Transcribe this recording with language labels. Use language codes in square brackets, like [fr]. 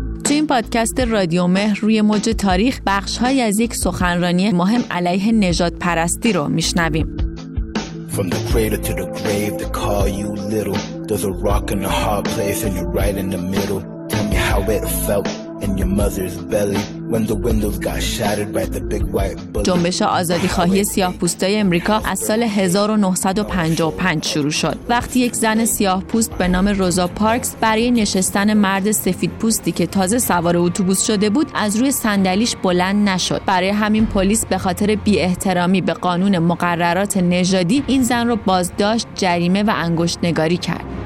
[fa] این پادکست رادیو مهر روی موج تاریخ بخش‌هایی از یک سخنرانی مهم علیه نژاد پرستی رو میشنویم. [en] From the cradle to the grave they call you little. There's a rock in a hard place and you're right in the middle. Tell me how it felt in your mother's belly when the windows got shattered by the big white bullet. [fa] جنبش آزادی خواهی سیاه پوستای امریکا از سال 1955 شروع شد، وقتی یک زن سیاه پوست به نام روزا پارکس برای نشستن مرد سفید پوستی که تازه سوار اتوبوس شده بود از روی صندلیش بلند نشد. برای همین پلیس به خاطر بی احترامی به قانون مقررات نژادی این زن رو بازداشت، جریمه و انگشت نگاری کرد.